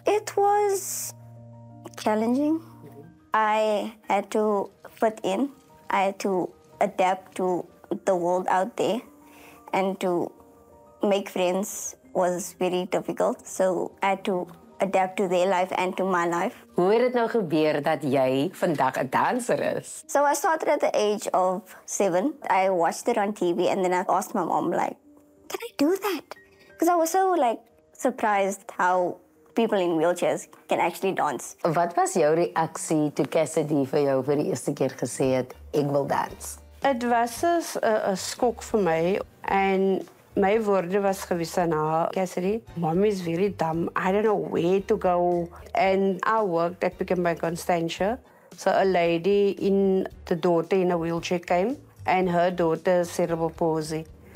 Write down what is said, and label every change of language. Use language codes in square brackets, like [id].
[en] It was challenging. I had to fit in. I had to adapt to the world out there, and to make friends was very difficult. So I had to adapt to their life and to my life. [af] Hoe het dit nou gebeur dat jy vandag 'n danser is? [en] So I started at the age of 7. I watched it on TV and then I asked my mom, like, can I do that? Because I was so like surprised how people in wheelchairs can actually dance. [af] Wat was jou reaksie toe Cassidy vir jou vir die eerste keer gesê het, ek wil dans? Dit was 'n skok vir my en my woorde was gewees aan haar, Cassidy, [en] mommy is very dumb, I don't know where to go. And I worked at Pick and Bank on Stansia. So a lady in the daughter in a wheelchair came and her daughter cerebral palsy.